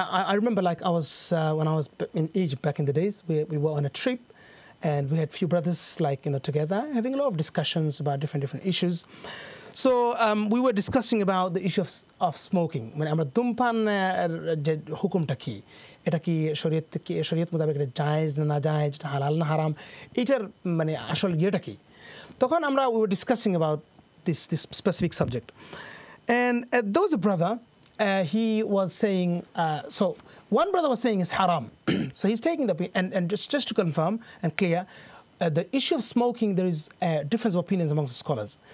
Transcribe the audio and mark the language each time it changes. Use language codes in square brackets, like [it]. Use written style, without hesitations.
[en] I remember, like, I was when I was in Egypt back in the days, we were on a trip, and we had a few brothers, like, you know, together having a lot of discussions about different issues. So we were discussing about the issue of smoking. [bn] মানে আমরা ধূমপান হুকুমটা কি, এটা কি শরীয়ত, কি শরীয়ত মোতাবেক এটা জায়েজ না জায়েজ, এটা হালাল না হারাম, এটার মানে আসল ইয়েটা কি। তখন আমরা [en] we were discussing about this specific subject. And there was a brother, he was saying, so one brother was saying it's haram. So he's taking the, and just to confirm and clear, The issue of smoking, there is a difference of opinions among the scholars.